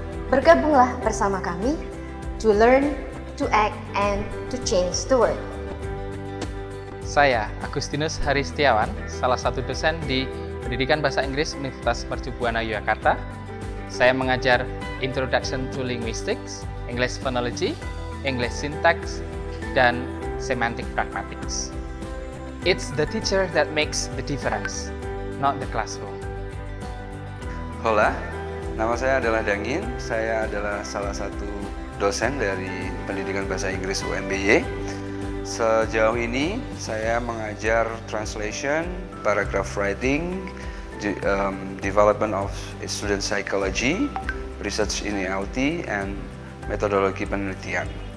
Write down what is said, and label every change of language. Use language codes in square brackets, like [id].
[id] Bergabunglah bersama kami [en] to learn, to act, and to change the world. [id] Saya Agustinus Hari Setiawan, salah satu dosen di Pendidikan Bahasa Inggris Universitas Mercubuana Yogyakarta. Saya mengajar Introduction to Linguistics, English Phonology, English Syntax, dan Semantic Pragmatics. [en] It's the teacher that makes the difference, not the classroom. [id] Hola, nama saya adalah Dangin. Saya adalah salah satu dosen dari Pendidikan Bahasa Inggris UNBY. Sejauh ini, saya mengajar translation, paragraph writing, development of student psychology, research in ELT, and metodologi penelitian.